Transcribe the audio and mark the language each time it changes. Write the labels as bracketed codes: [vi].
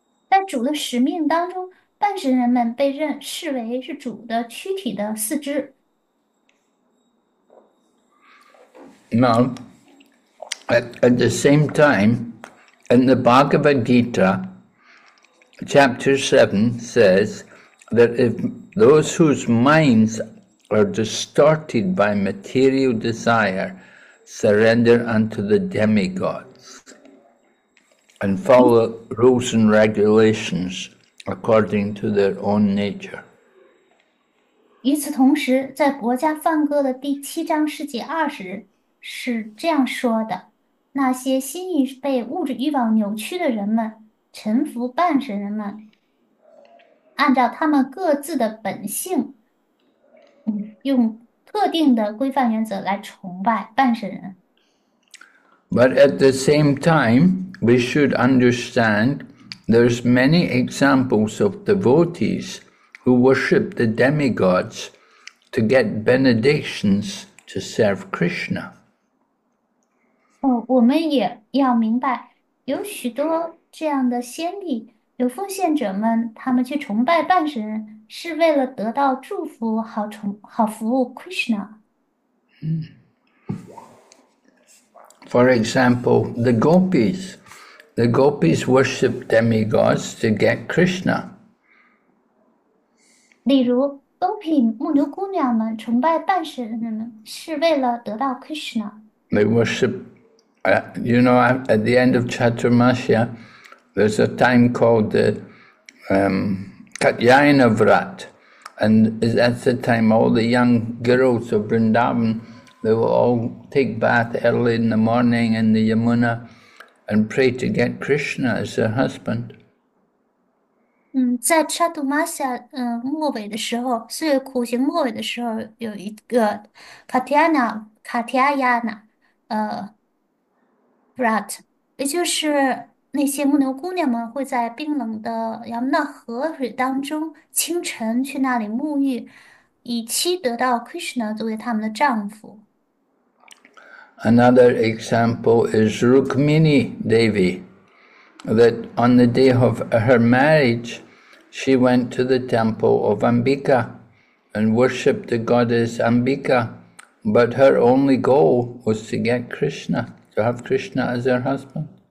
[zh] 在主的使命当中，半神人们被认视为是主的躯体的四肢。 [en] Now, at the same time, in the Bhagavad Gita, chapter 7 says that if those whose minds are distorted by material desire surrender unto the demigods and follow rules and regulations according to their own nature. [zh] 与此同时，在国家梵歌的第七章世界20是这样说的：那些心意被物质欲望扭曲的人们，臣服半神人们，按照他们各自的本性，用特定的规范原则来崇拜半神人。 [en] But at the same time, we should understand there's many examples of devotees who worship the demigods to get benedictions to serve Krishna. [zh] 我们也要明白，有许多这样的先例，有奉献者们，他们去崇拜半神人，是为了得到祝福，好服务 Krishna。 [en] For example, the gopis worship demigods to get Krishna. [zh] 例如，Gopi 牧牛姑娘们崇拜半神人们，是为了得到 Krishna。 [en] They worship, at the end of Chaturmasya, there's a time called the Katyayana Vrat, and that's the time all the young girls of Vrindavan. They will all take bath early in the morning in the Yamuna and pray to get Krishna as their husband. [zh] 在查图马夏末尾的时候，四月苦行末尾的时候，有一个卡提亚亚娜，Brat，也就是那些牧牛姑娘们会在冰冷的亚穆纳河水当中清晨去那里沐浴，以期得到 Krishna 作为他们的丈夫。 [en] Another example is Rukmini Devi, that on the day of her marriage, she went to the temple of Ambika and worshipped the goddess Ambika, but her only goal was to get Krishna, to have Krishna as her husband.